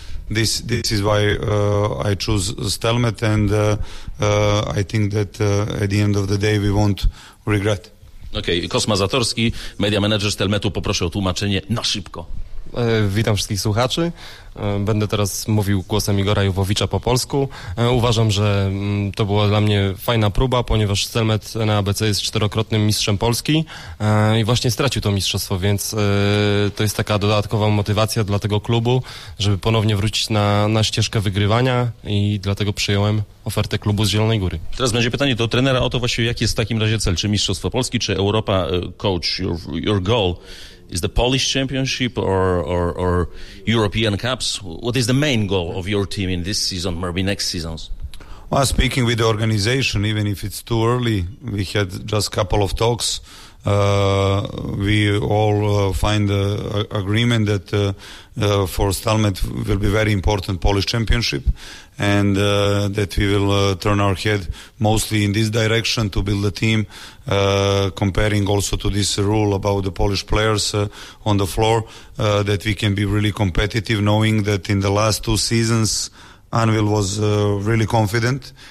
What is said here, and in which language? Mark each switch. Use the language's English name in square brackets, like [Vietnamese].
[English] This is why I choose Stelmet, and I think that at the end of the day we won't regret. Okej, okay. [Polish] Kosma Zatorski, media manager Stelmetu, poproszę o tłumaczenie na szybko. Witam wszystkich słuchaczy. Będę teraz mówił głosem Igora Jowowicza po polsku. Uważam, że to była dla mnie fajna próba, ponieważ Stelmet na ABC jest czterokrotnym mistrzem Polski i właśnie stracił to mistrzostwo, więc to jest taka dodatkowa motywacja dla tego klubu, żeby ponownie wrócić na ścieżkę wygrywania, i dlatego przyjąłem ofertę klubu z Zielonej Góry. Teraz będzie pytanie do trenera o to właśnie, jaki jest w takim razie cel, czy mistrzostwo Polski, czy Europa. [English] Coach, your goal is the Polish championship or European Cups? What is the main goal of your team in this season, maybe next seasons? Well, speaking with the organization, even if it's too early, we had just a couple of talks. We all find the agreement that for Stelmet will be very important Polish championship, and that we will turn our head mostly in this direction to build a team, comparing also to this rule about the Polish players on the floor, that we can be really competitive, knowing that in the last two seasons Anvil was really confident.